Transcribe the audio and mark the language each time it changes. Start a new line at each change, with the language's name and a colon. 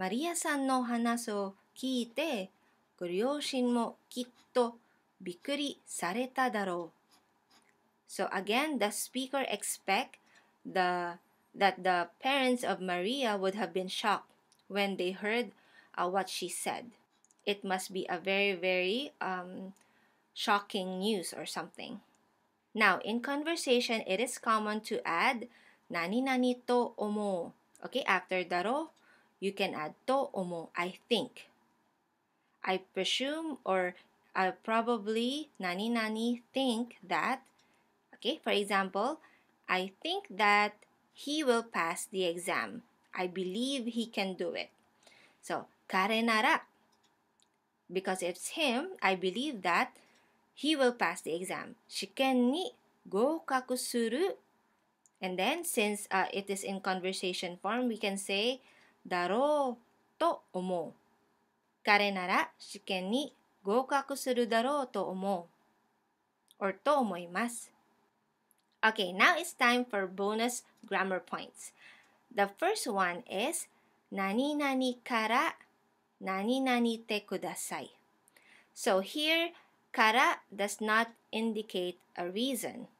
Japanese: マリアさんの話を聞いて、ご両親もきっとびっくりされただろう。
English: So again, the speaker expect that the parents of Maria would have been shocked when they heard what she said. It must be a very, very shocking news or something. Now, in conversation, it is common to add 何々と思う。 Okay, after だろう、you can add と思う、I think. I presume or I probably 何々 think that. Okay, for example, I think that he will pass the exam. I believe he can do it. So,
Japanese: 彼なら。
English: Because it's him, I believe that he will pass the exam.
Japanese: 試験に合格する。
English: And then, since it is in conversation form, we can say, だろうと思う。
Japanese: 彼なら試験に合格するだろうと思う。
English: Or
Japanese: と思います。
English: Okay, now it's time for bonus grammar points. The first one is 何々から何々てください。 So here, から does not indicate a reason.